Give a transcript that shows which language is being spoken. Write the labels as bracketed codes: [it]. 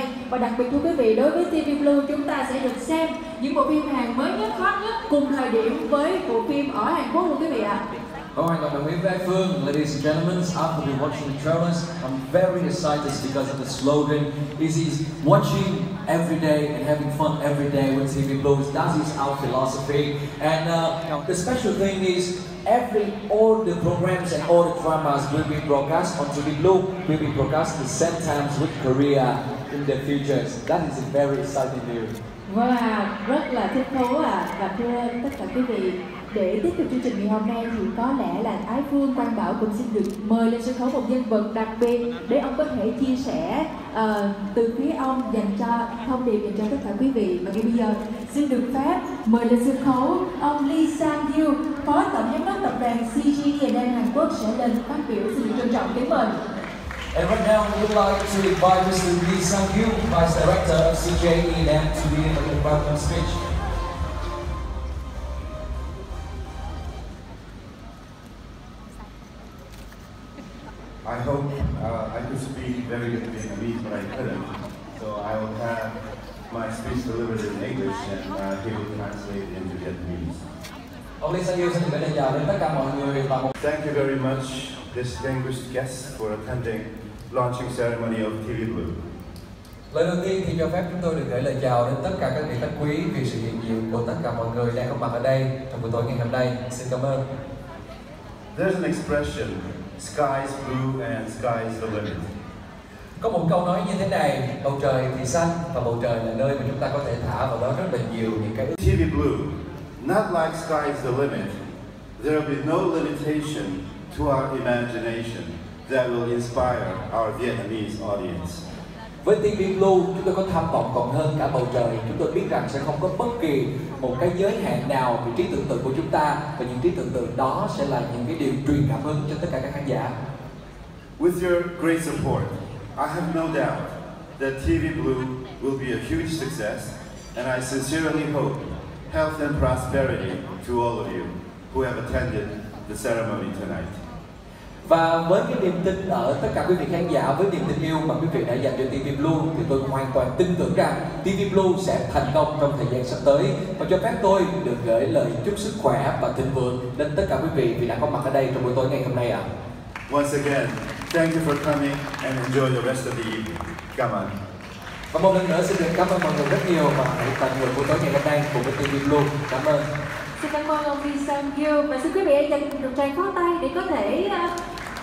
[vi] Và đặc biệt thưa quý vị, đối với TV Blue, chúng ta sẽ được xem những bộ phim Hàn mới nhất, hot nhất cùng thời điểm với bộ phim ở Hàn Quốc luôn quý vị ạ. [en] Oh my God, I'm Vy Phương. Ladies and gentlemen, after we watching the trailers, I'm very excited because of the slogan. This is watching every day and having fun every day with TV Blue. That is our philosophy. And the special thing is all the programs and all the dramas will be broadcast on TV Blue, will be broadcast the same time with Korea in the future. That is a very exciting news. [vi] Wow, rất là thích thú ạ. Và thưa tất cả quý vị, để tiếp tục chương trình ngày hôm nay thì có lẽ là Ái Phương, Quang Bảo cũng xin được mời lên sân khấu một nhân vật đặc biệt để ông có thể chia sẻ từ phía ông dành cho thông điệp dành cho tất cả quý vị. Và ngay bây giờ xin được phép mời lên sân khấu ông Lee Sang Yu, Phó Tổng Giám đốc Tập đoàn CGN Hàn Quốc sẽ lên phát biểu. Xin được trân trọng kính mời. [en] And right now, we'd like to invite Mr. Lee Sang Yu, Vice Director of CGN, to be in the welcome speech. I hope I could speak very good Vietnamese, but I couldn't. So I will have my speech delivered in English and he will translate into Vietnamese. Thank you very much, distinguished guests, for attending launching ceremony of TV Blue. [vi] Lời đầu tiên thì cho phép chúng tôi được gửi lời chào đến tất cả các vị khách quý vì sự hiện diện của tất cả mọi người đang có mặt ở đây trong buổi tối ngày hôm nay. Xin cảm ơn. [en] There's an expression, sky is blue and sky is the limit. [vi] Có một câu nói như thế này, bầu trời thì xanh và bầu trời là nơi mà chúng ta có thể thả vào đó rất là nhiều những cái ước. [en] Be blue, not like sky is the limit. There will be no limitation to our imagination that will inspire our Vietnamese audience. [vi] Với tiếng Việt Blue, chúng tôi có tham vọng còn hơn cả bầu trời. Chúng tôi biết rằng sẽ không có bất kỳ một cái giới hạn nào về trí tưởng tượng của chúng ta, và những trí tưởng tượng đó sẽ là những cái điều truyền cảm hứng cho tất cả các khán giả. [en] With your great support, I have no doubt that TV Blue will be a huge success, and I sincerely hope health and prosperity to all of you who have attended the ceremony tonight. [vi] Và với cái niềm tin ở tất cả quý vị khán giả, với niềm tin yêu mà quý vị đã dành cho TV Blue, thì tôi hoàn toàn tin tưởng rằng TV Blue sẽ thành công trong thời gian sắp tới. Và cho phép tôi được gửi lời chúc sức khỏe và thịnh vượng đến tất cả quý vị đã có mặt ở đây trong buổi tối ngày hôm nay ạ. [en] Once again, thank you for coming and enjoy the rest of the evening. Come on. [vi] Và một lần nữa xin được cảm ơn mọi người rất nhiều và hãy tận hưởng buổi tối ngày hôm nay cùng với TV Blue. Cảm ơn. Xin cảm ơn ông Vi Sang Yu và xin quý vị hãy dành một tràng pháo tay để có thể